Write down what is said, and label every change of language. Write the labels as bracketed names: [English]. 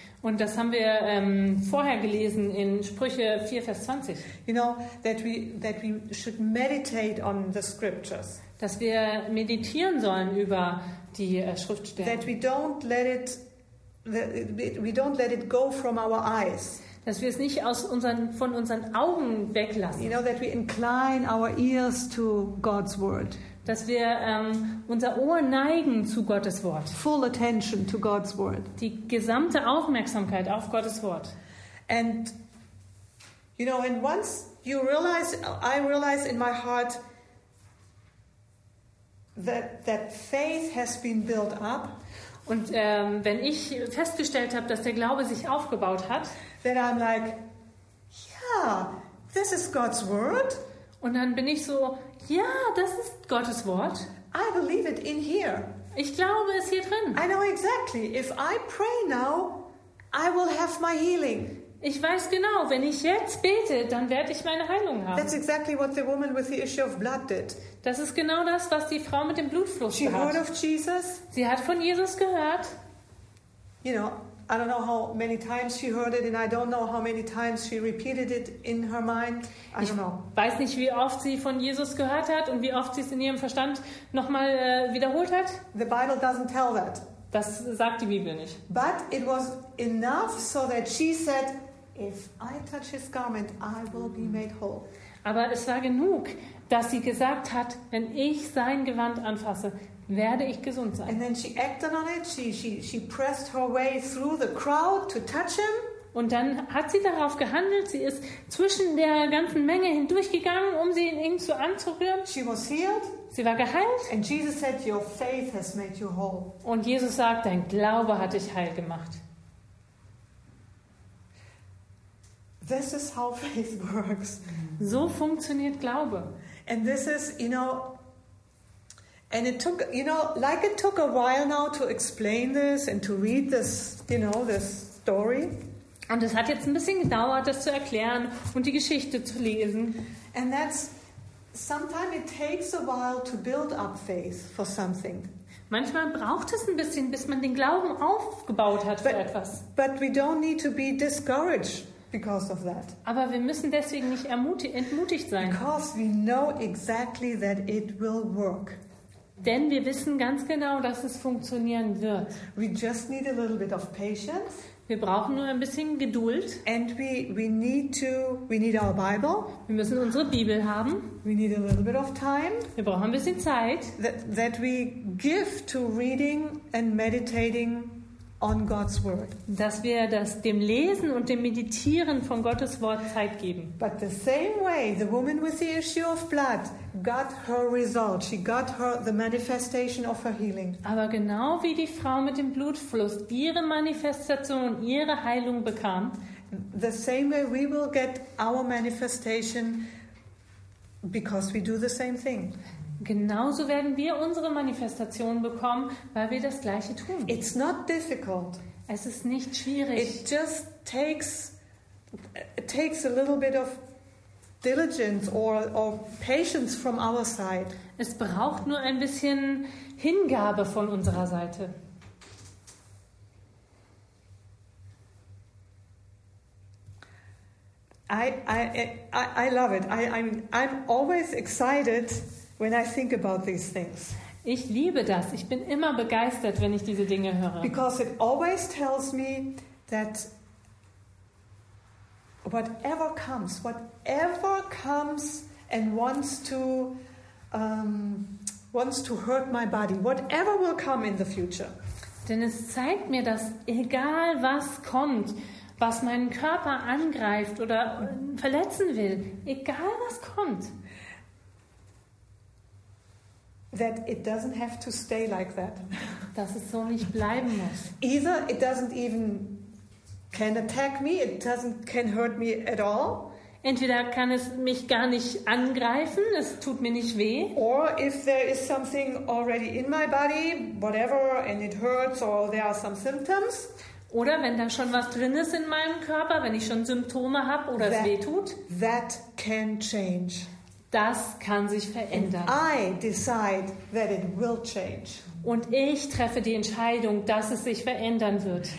[German] Und das haben wir vorher gelesen in Sprüche 4, Vers 20. [English] You know, that we should meditate on the scriptures. [German] Dass wir meditieren sollen über die Schriftstellen. [English] That we don't let it go from our eyes. [German] Dass wir es nicht von unseren Augen weglassen. [English] You know, that we incline our ears to God's word. [German] Dass wir unser Ohr neigen zu Gottes Wort. [English] Full attention to God's word. [German] Die gesamte Aufmerksamkeit auf Gottes Wort. [English] And You know, and once you realize, I realize in my heart that faith has been built up. [German] Und wenn ich festgestellt habe, dass der Glaube sich aufgebaut hat, [English] then I'm like, yeah, this is God's word. [German] Und dann bin ich so, ja, das ist Gottes Wort. [English] I believe it in here. [German] Ich glaube es hier drin. [English] I know exactly. If I pray now, I will have my healing. [German] Ich weiß genau, wenn ich jetzt bete, dann werde ich meine Heilung haben. [English] That's exactly what the woman with the issue of blood did. [German] Das ist genau das, was die Frau mit dem Blutfluss hat. [English] She heard of Jesus. [German] Sie hat von Jesus gehört. [English] You know, I don't know how many times she heard it, and I don't know how many times she repeated it in her mind. I [German] ich [English] don't know. [German] Weiß nicht, wie oft sie von Jesus gehört hat und wie oft sie es in ihrem Verstand nochmal wiederholt hat. [English] The Bible doesn't tell that. [German] Das sagt die Bibel nicht. [English] But it was enough so that she said, if I touch his garment, I will be made whole. [German] Aber es war genug, dass sie gesagt hat, wenn ich sein Gewand anfasse, werde ich gesund sein. [English] And then she acted on it. She pressed her way through the crowd to touch him. [German] Und dann hat sie darauf gehandelt. Sie ist zwischen der ganzen Menge hindurchgegangen, um sie in ihn zu anzurühren. [English] She was healed. [German] Sie war geheilt. [English] And Jesus said, your faith has made you whole. [German] Und Jesus sagt, dein Glaube hat dich heil gemacht. [English] This is how faith works. [German] So funktioniert Glaube. [English] And this is, you know, and it took, you know, like it took a while now to explain this and to read this, you know, this story. [German] Und es hat jetzt ein bisschen gedauert, das zu erklären und die Geschichte zu lesen. [English] And that's, sometimes it takes a while to build up faith for something. [German] Manchmal braucht es ein bisschen, bis man den Glauben aufgebaut hat für etwas. [English] But we don't need to be discouraged. Because of that. [German] Aber wir müssen deswegen nicht entmutigt sein. [English] Because we know exactly that it will work. [German] Denn wir wissen ganz genau, dass es funktionieren wird. [English] We just need a little bit of patience. [German] Wir brauchen nur ein bisschen Geduld. [English] And we need our Bible. [German] Wir müssen unsere Bibel haben. [English] We need a little bit of time. [German] Wir brauchen ein bisschen Zeit. [English] That we give to reading and meditating on God's word. [German] Dass wir das dem Lesen und dem Meditieren von Gottes Wort Zeit geben. [English] But the same way the woman with the issue of blood got her result, she got her the manifestation of her healing. [German] Aber genau wie die Frau mit dem Blutfluss ihre Manifestation, ihre Heilung bekam, [English] the same way we will get our manifestation because we do the same thing. [German] Genauso werden wir unsere Manifestation bekommen, weil wir das Gleiche tun. [English] It's not difficult. [German] Es ist nicht schwierig. [English] It just takes a little bit of diligence or patience from our side. [German] Es braucht nur ein bisschen Hingabe von unserer Seite. [English] I love it. I'm always excited. When I think about these things. [German] Ich liebe das. Ich bin immer begeistert, wenn ich diese Dinge höre. [English] Because it always tells me that whatever comes and wants to hurt my body, whatever will come in the future. [German] Denn es zeigt mir, dass egal was kommt, was meinen Körper angreift oder verletzen will, egal was kommt, [English] that it doesn't have to stay like that. [German] Dass es so nicht bleiben muss. [English] Either it doesn't even can attack me, it doesn't can hurt me at all. [German] Entweder kann es mich gar nicht angreifen, es tut mir nicht weh. [English] Or if there is something already in my body, whatever, and it hurts or there are some symptoms. [German] Oder wenn da schon was drin ist in meinem Körper, wenn ich schon Symptome habe oder es weh tut. [English] That can change. [German] Das kann sich verändern. [English] I decide that it will change. [German] Und ich treffe die Entscheidung, dass es sich verändern wird.